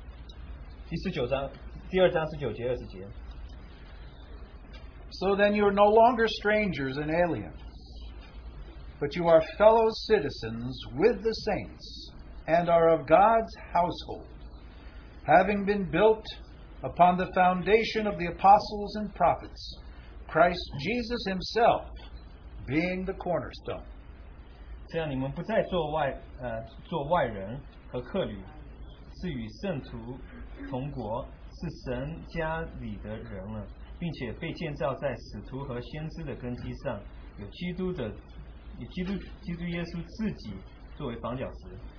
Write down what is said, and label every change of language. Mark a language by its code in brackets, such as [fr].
[zh] 以弗所书第二章第二十节。第十九章第二章十九节二十节。 [en] So then you are no longer strangers and aliens, but you are fellow citizens with the saints and are of God's household, having been built upon the foundation of the apostles and prophets, Christ Jesus himself being the cornerstone. [zh] 这样你们不再做外人和客旅，是与圣徒同国，是神家里的人了，并且被建造在使徒和先知的根基上，有基督的，以基督耶稣自己作为房角石。